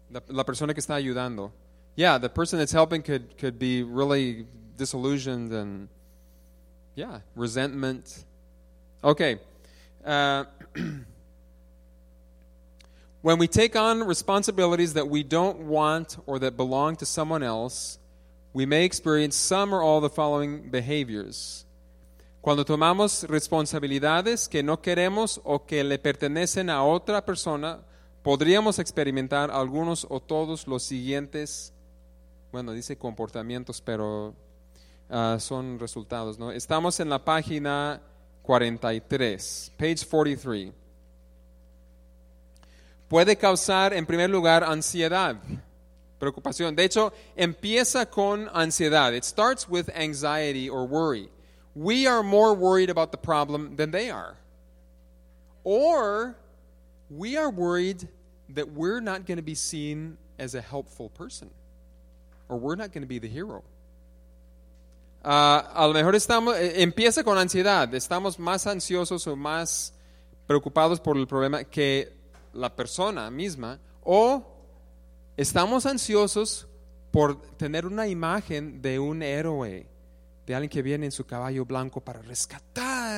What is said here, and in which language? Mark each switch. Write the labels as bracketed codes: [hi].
[es] La persona que está ayudando. [en] Yeah, the person that's helping could be really disillusioned and, yeah, resentment. Okay. When we take on responsibilities that we don't want or that belong to someone else, we may experience some or all the following behaviors. [es] Cuando tomamos responsabilidades que no queremos o que le pertenecen a otra persona, podríamos experimentar algunos o todos los siguientes, bueno, dice comportamientos, pero son resultados, ¿no? Estamos en la página 43, [en] page 43. [es] Puede causar, en primer lugar, ansiedad, preocupación. De hecho, empieza con ansiedad. [en] It starts with anxiety or worry. We are more worried about the problem than they are. Or we are worried that we're not going to be seen as a helpful person. Or we're not going to be the hero. [es] A lo mejor empieza con ansiedad. Estamos más ansiosos o más preocupados por el problema que la persona misma, o estamos ansiosos por tener una imagen de un héroe, de alguien que viene en su caballo blanco para rescatar